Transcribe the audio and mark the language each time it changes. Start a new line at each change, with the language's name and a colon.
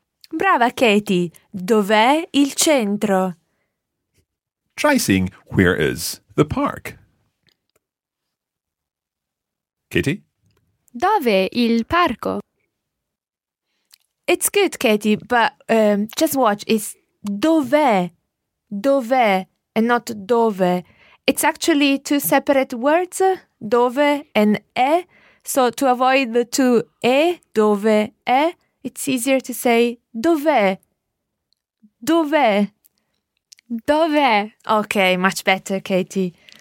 Italian: Brava Katie, dov'è il centro?
English: Try saying, where is the park? Katie?
Italian: Dov'è il parco?
English: It's good, Katie, but just watch. It's dov'è, dov'è, and not dove. It's actually two separate words, dove and e. So to avoid the two e, dove, e, it's easier to say dov'è, dov'è,
Italian: dov'è.
English: Okay, much better, Katie.